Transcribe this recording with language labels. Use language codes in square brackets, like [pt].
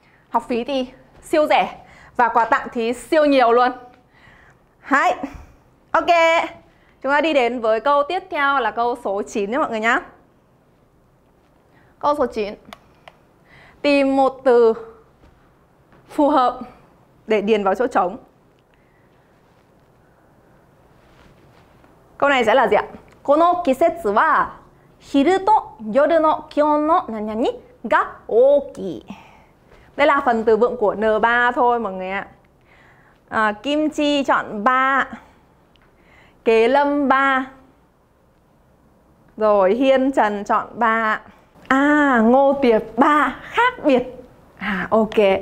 [vi] Học phí thì siêu rẻ và quà tặng thì siêu nhiều luôn. Hai. Ok. Chúng ta đi đến với câu tiếp theo là câu số 9 nhé mọi người nhá. Câu số 9. Tìm một từ phù hợp để điền vào chỗ trống. Câu này sẽ là gì ạ? [ja] この季節は昼と夜の気温の何々が大きい。 [vi] Đây là phần từ vựng của N3 thôi mọi người ạ. Kim chi chọn 3. Kế lâm 3. Rồi hiên trần chọn 3. Ngô tiệp 3, khác biệt. Ok.